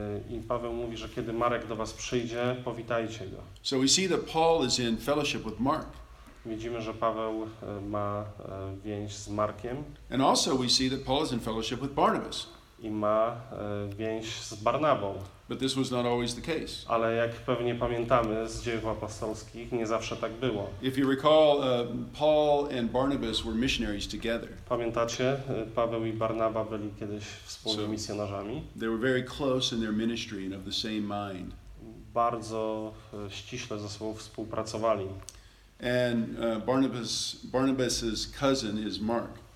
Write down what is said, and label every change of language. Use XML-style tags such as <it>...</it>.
<pl>I Paweł mówi, że kiedy Marek do was przyjdzie, powitajcie go.</pl> <en>So we see that Paul is in fellowship with Mark.</en> <pl>Widzimy, że Paweł ma więź z Markiem.</pl> <en>And also we see that Paul is in fellowship with Barnabas.</en> <pl>I ma więź z Barnabą.</pl> <en>But this was not always the case.</en> <pl>Ale jak pewnie pamiętamy z dziejów apostolskich, nie zawsze tak było.</pl> <en>If you recall, Paul and Barnabas were missionaries together.</en> <pl>Pamiętacie, Paweł i Barnaba byli kiedyś wspólnymi misjonarzami.</pl> <en>They were very close in their ministry and of the same mind.</en> <pl>Bardzo ściśle ze sobą współpracowali.</pl> <en>And Barnabas's cousin is Mark.</en>